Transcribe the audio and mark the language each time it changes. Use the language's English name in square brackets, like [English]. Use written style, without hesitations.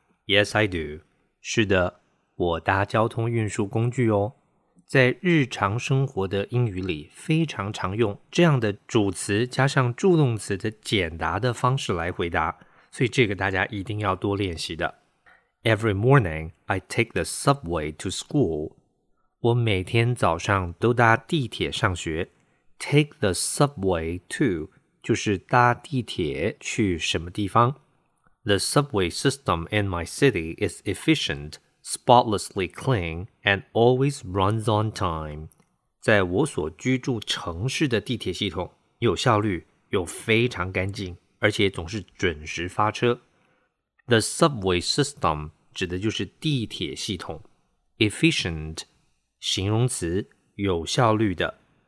[English] Yes, I do. [Chinese] 是的，我搭交通运输工具哦。在日常生活的英语里，非常常用这样的主词加上助动词的简答的方式来回答，所以这个大家一定要多练习的。 [English] Every morning, I take the subway to school. [Chinese] 我每天早上都搭地铁上学。 [English] Take the subway to [Chinese] 就是搭地铁去什么地方。 [English] The subway system in my city is efficient, spotlessly clean, and always runs on time. [Chinese] 在我所居住城市的地铁系统有效率，又非常干净，而且总是准时发车。 The subway system 指的就是地铁系统。 Efficient 形容词，有效率的。